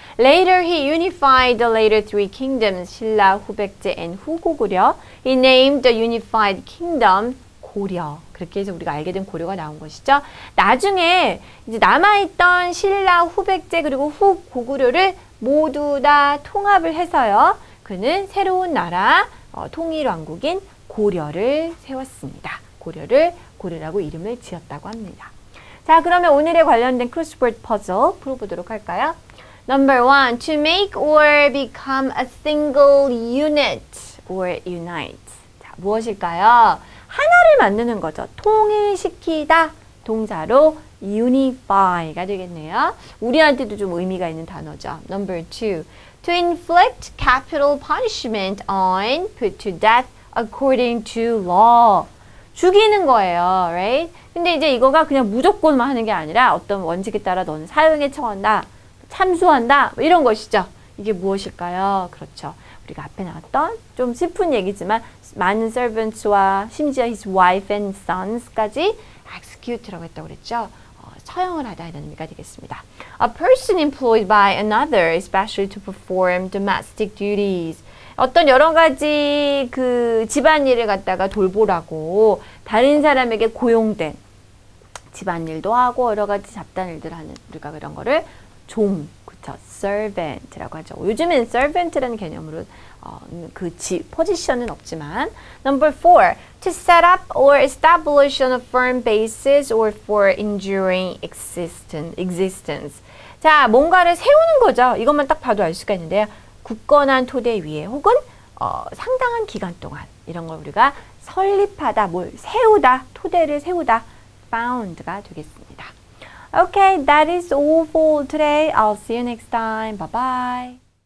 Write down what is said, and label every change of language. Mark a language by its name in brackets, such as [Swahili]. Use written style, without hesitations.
[English] Later he unified the later three kingdoms, 신라, 후백제, and 후고구려. He named the unified kingdom 고려. [Korean] 그렇게 해서 우리가 알게 된 고려가 나온 것이죠. 나중에 이제 남아있던 신라, 후백제, 그리고 후고구려를 모두 다 통합을 해서요. 그는 새로운 나라, 통일왕국인 고려를 세웠습니다. 고려라고 이름을 지었다고 합니다. 자, 그러면 오늘에 관련된 크로스워드 퍼즐 풀어보도록 할까요? [English] Number one, to make or become a single unit or unite. [Korean] 자, 무엇일까요? 하나를 만드는 거죠. 통일시키다. 동사로 unify가 되겠네요. 우리한테도 좀 의미가 있는 단어죠. [English] Number two, to inflict capital punishment on, put to death according to law. [Korean] 죽이는 거예요, right? 근데 이제 이거가 그냥 무조건만 하는 게 아니라 어떤 원칙에 따라 너는 사형에 처한다, 참수한다, 이런 것이죠. 이게 무엇일까요? 그렇죠. 우리가 앞에 나왔던 좀 슬픈 얘기지만 많은 servants와 심지어 [English] his wife and sons [Korean] 까지 execute라고 했다고 그랬죠. 처형을 하다 이런 의미가 되겠습니다. [English] A person employed by another, especially to perform domestic duties. [Korean] 어떤 여러 가지 그 집안일을 갖다가 돌보라고 다른 사람에게 고용된 집안일도 하고 여러 가지 잡단일들 하는 우리가 그런 거를 종, 그쵸? servant라고 하죠. 요즘엔 servant라는 개념으로 포지션은 없지만 [English] Number four, to set up or establish on a firm basis or for enduring existence. [Korean] 자, 뭔가를 세우는 거죠. 이것만 딱 봐도 알 수가 있는데요. 굳건한 토대 위에 혹은 상당한 기간 동안 이런 걸 우리가 설립하다, 뭘 세우다, 토대를 세우다, found가 되겠습니다. [English] Okay, that is all for today. I'll see you next time. Bye-bye.